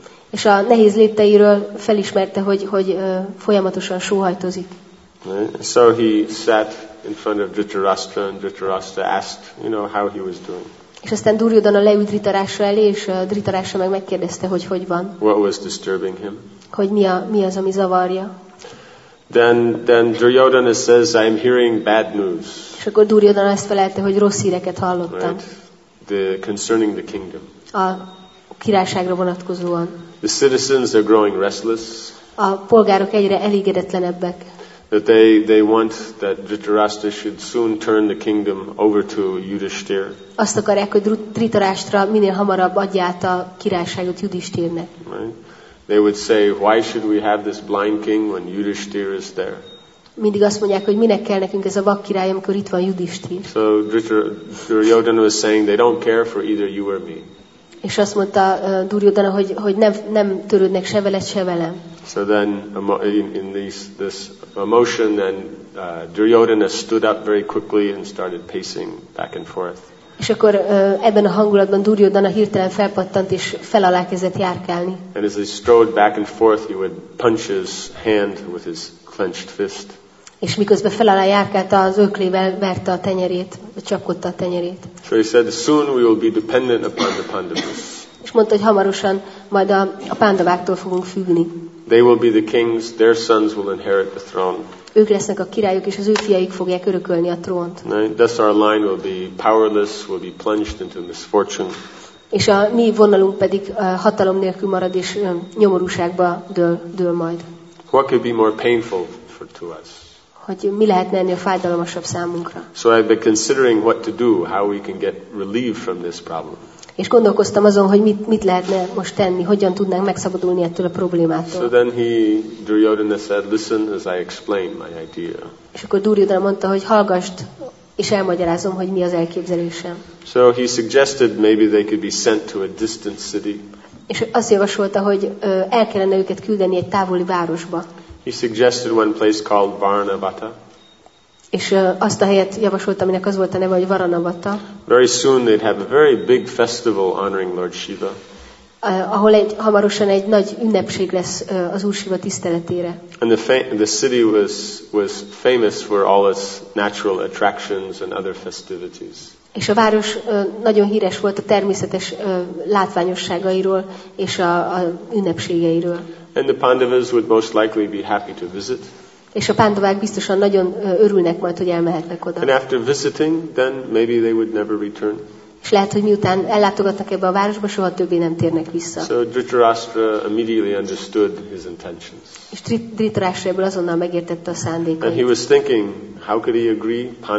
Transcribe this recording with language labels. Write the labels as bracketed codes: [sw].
[hu] És a nehéz lépteiről felismerte, hogy folyamatosan sóhajtozik. [en] Right? So he sat in front of Dhritarashtra, and Dhritarashtra asked, you know, how he was doing. [hu] És aztán Duryodhana leült Dhritarashtra elé, és Dhritarashtra meg megkérdezte, hogy van. [en] What was disturbing him? [hu] Hogy mi az, ami zavarja. [en] Then Duryodhana says, I'm hearing bad news. [hu] És akkor Duryodhana ezt felelte, hogy rossz híreket hallottam. [en] Right? Concerning the kingdom. [hu] A királyságra vonatkozóan. [en] The citizens are growing restless. [hu] A polgárok egyre elégedetlenebbek. [en] That they want that Dhritarashtra should soon turn the kingdom over to Yudhishthir. [hu] Azt akarják, hogy Dhritarashtra minél hamarabb adja át a királyságot Yudhishthirnek. [en] They would say, why should we have this blind king when Yudhishthir is there? [hu] Mindig azt mondják, hogy minek kell nekünk ez a vak király, amikor itt van Yudhishthir. [en] So Duryodhana was saying, they don't care for either you or me. [hu] És azt mondta Duryodhana, hogy nem törődnek se veled, se velem. [en] So then in this emotion, then Duryodhana stood up very quickly and started pacing back and forth. [hu] És akkor ebben a hangulatban Duryodhana hirtelen felpattant és fel alá kezdett járkálni. [en] And as he strode back and forth, he would punch his hand with his clenched fist. [hu] És miközben fel alá járkált, az öklével verte a tenyerét, csapkodta a tenyerét. [en] So he said, soon we will be dependent upon the Pandavas. [hu] És mondta, hogy hamarosan majd a pándaváktól fogunk függni. [en] They will be the kings, their sons will inherit the throne. [hu] Ők lesznek a királyok, és az ő fiaik fogják örökölni a trónt. [en] Right? Thus our line will be powerless, will be plunged into misfortune. [hu] És a mi vonalunk pedig hatalom nélkül marad, és nyomorúságba dől majd. [en] What could be more painful for to us? [hu] Hogy mi lehetne ennél fájdalmasabb számunkra? [en] So I've been considering what to do, how we can get relief from this problem. [hu] És gondolkoztam azon, hogy mit lehetne most tenni, hogyan tudnánk megszabadulni ettől a problémától. [en] So then he, Duryodhana said, listen as I explain my idea. [hu] És akkor Duryodhana mondta, hogy hallgasd, és elmagyarázom, hogy mi az elképzelésem. [en] So he suggested maybe they could be sent to a distant city. [hu] És azt javasolta, hogy el kellene őket küldeni egy távoli városba. [en] He suggested one place called Varnavata. [hu] És azt a helyet javasoltam, aminek az volt a neve, hogy Varanavata. [en] Very soon they'd have a very big festival honoring Lord Shiva. [hu] Ahol egy hamarosan egy nagy ünnepség lesz az Úr Shiva tiszteletére. [en] And the city was famous for all its natural attractions and other festivities. [hu] És a város nagyon híres volt a természetes látványosságairól és a ünnepségeiről. [en] And the Pandavas would most likely be happy to visit. [hu] És a pándovák biztosan nagyon örülnek majd, hogy elmehetnek oda. [en] And after visiting, then maybe they would never return. [hu] És lehet, hogy miután ellátogatnak ebbe a városba, soha többé nem térnek vissza. [en] So Dhritarashtra immediately understood his intentions. [hu] És Dhritarashtra ebből azonnal megértette a szándékait. [en] And he was thinking, how could he agree?